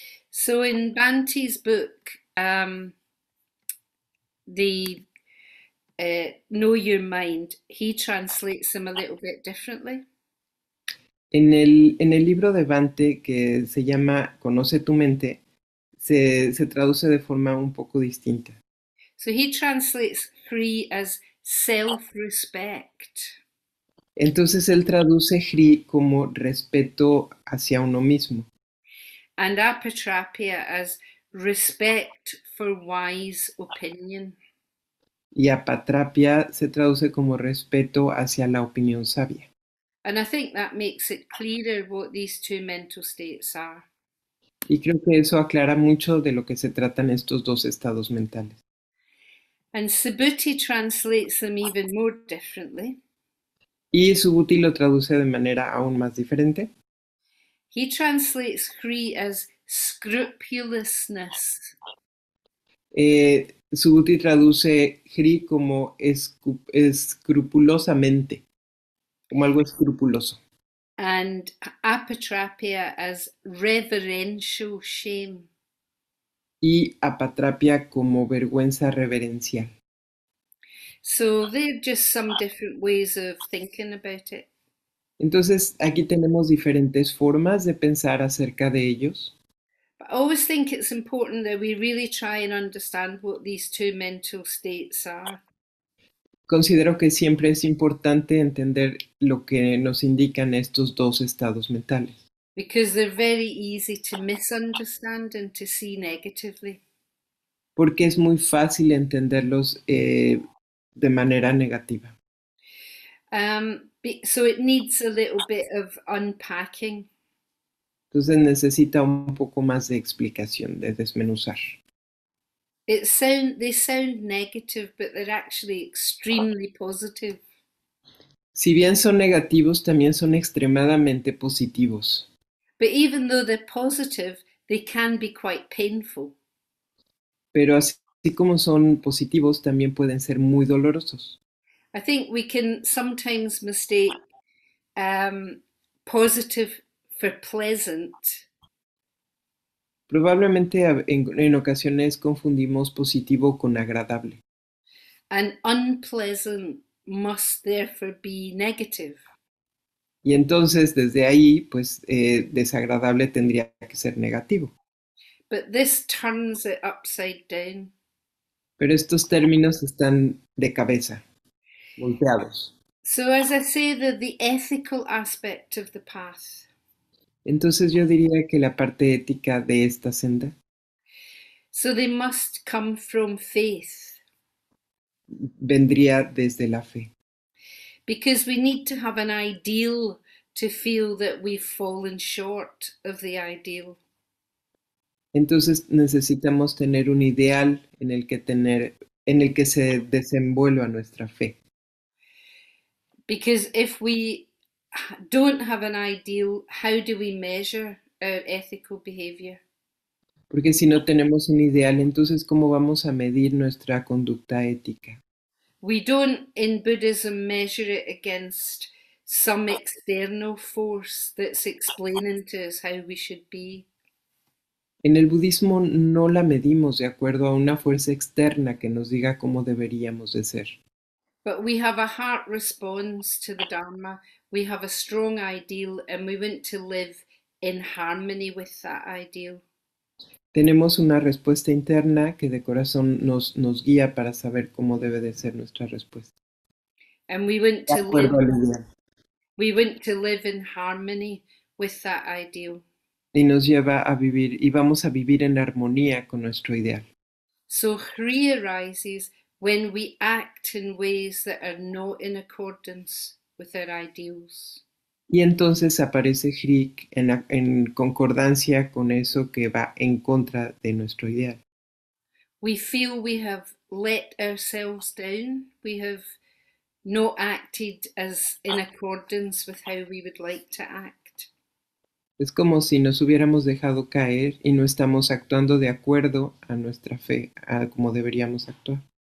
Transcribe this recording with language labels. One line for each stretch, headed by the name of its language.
English: So in Bhante's book, the Know Your Mind, he translates them a little bit differently.
Spanish: En el libro de Bhante, que se llama Conoce tu mente, se traduce de forma un poco distinta.
English: So he translates free as self-respect.
Spanish: Entonces él traduce hri como respeto hacia uno mismo.
English: And apatrapya as respect for wise opinion.
Spanish: Y apatrapya se traduce como respeto hacia la opinión sabia.
English: And I think that makes it clearer what these two mental states are.
Spanish: Y creo que eso aclara mucho de lo que se tratan estos dos estados mentales.
English: And Subhuti translates them even more differently.
Spanish: Y Subhuti lo traduce de manera aún más diferente.
English: He translates free as scrupulousness.
Spanish: Subhuti traduce hri como escrupulosamente, como algo escrupuloso.
English: And apatrapya as reverential shame.
Spanish: Y apatrapya como vergüenza reverencial.
English: So they're just some different ways of thinking about it.
Spanish: Entonces, aquí tenemos diferentes formas de pensar acerca de ellos.
English: But I always think it's important that we really try and understand what these two mental states are.
Spanish: Considero que siempre es importante entender lo que nos indican estos dos estados mentales.
English: Because they're very easy to misunderstand and to see negatively.
Spanish: Porque es muy fácil entenderlos de manera negativa.
English: So it needs a little bit of unpacking.
Spanish: Entonces necesita un poco más de explicación, de desmenuzar.
English: They sound negative, but they're actually extremely positive.
Spanish: Si bien son negativos, también son extremadamente positivos.
English: But even though they're positive, they can be quite painful.
Spanish: Pero así como son positivos, también pueden ser muy dolorosos.
English: I think we can sometimes mistake positive for pleasant.
Spanish: Probablemente en ocasiones confundimos positivo con agradable.
English: And unpleasant must therefore be negative.
Spanish: Y entonces desde ahí, pues desagradable tendría que ser negativo.
English: But this turns it upside down.
Spanish: Pero estos términos están de cabeza, volteados.
English: So, as I say, the ethical aspect of the path.
Spanish: Entonces yo diría que la parte ética de esta senda
English: So, they must come from faith.
Spanish: vendría desde la fe.
English: Because we need to have an ideal to feel that we've fallen short of the ideal.
Spanish: Entonces necesitamos tener un ideal en el que se desenvuelva nuestra fe.
English: Because if we don't have an ideal, how do we measure our ethical behavior?
Spanish: Porque si no tenemos un ideal, entonces ¿cómo vamos a medir nuestra conducta ética?
English: We don't in Buddhism measure it against some external force that's explaining to us how we should be.
Spanish: En el budismo no la medimos de acuerdo a una fuerza externa que nos diga cómo deberíamos de ser.
English: But we have a heart response to the Dharma. We have a strong ideal, and we want to live in harmony with that ideal.
Spanish: Tenemos una respuesta interna que de corazón nos guía para saber cómo debe de ser nuestra respuesta.
English: And
Spanish: De acuerdo al ideal.
English: we want to live in harmony with that ideal.
Spanish: Y nos lleva a vivir, y vamos a vivir en armonía con nuestro ideal.
English: So hri arises when we act in ways that are not in accordance with our ideals.
Spanish: Y entonces aparece Hrik en concordancia con eso que va en contra de nuestro ideal.
English: We feel we have let ourselves down. We have not acted as in accordance with how we would like to act.
Spanish: Es como si nos hubiéramos dejado caer y no estamos actuando de acuerdo a nuestra fe, a cómo deberíamos actuar.